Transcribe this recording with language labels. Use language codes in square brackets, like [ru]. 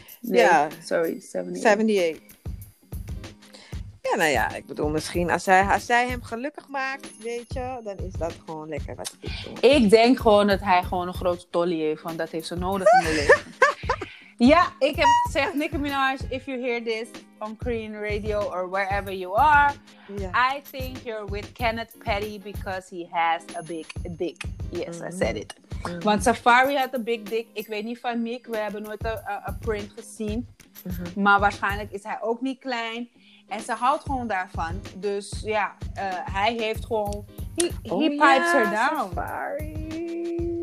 [nl] Ja, nou ja, ik bedoel misschien als zij hem gelukkig maakt, weet je, dan is dat gewoon lekker wat ik doe. Ik denk gewoon dat hij gewoon een grote tolly heeft, want dat heeft ze nodig in de leven. Ja, ik heb gezegd, [en] Nicki Minaj, if you hear this on Korean radio or wherever you are, I think you're with Kenneth Petty because he has a big dick. Yes, I said it. [nl] Want Safari [en] had a big dick. [nl] Ik weet niet van Mick, we hebben nooit een print gezien. Mm-hmm. Maar waarschijnlijk is hij ook niet klein. En ze houdt gewoon daarvan. Dus ja, hij heeft gewoon... [en] He pipes her down. [nl] Safari.